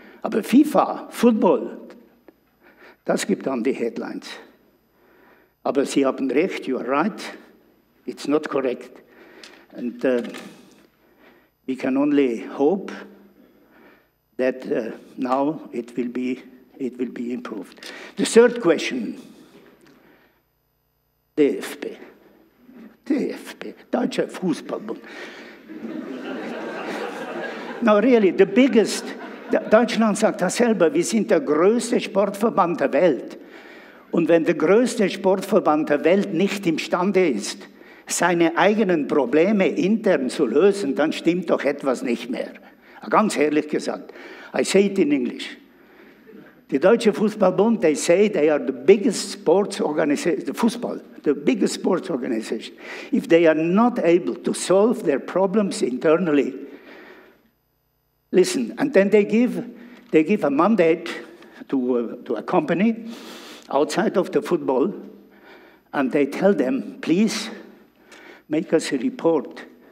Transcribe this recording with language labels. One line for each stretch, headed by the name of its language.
German: Aber FIFA, Football, das gibt dann die Headlines. Aber Sie haben recht,
English: you are right. It's not correct. And we can only hope that now it will be improved. The third question.
German: DFB. DFB, Deutscher Fußballbund.
English: No, really, the biggest,
German: Deutschland sagt das selber, wir sind der größte Sportverband der Welt. Und wenn der größte Sportverband der Welt nicht imstande ist, seine eigenen Probleme intern zu lösen, dann stimmt doch etwas nicht mehr. Ganz ehrlich gesagt,
English: I say it in English. Die Deutsche Fußballbund, they say they are the biggest sports organization, the football, the biggest sports organization. If they are not able to solve their problems internally, listen, and then they give a mandate to a company outside of the football, and they tell them, please make us a report.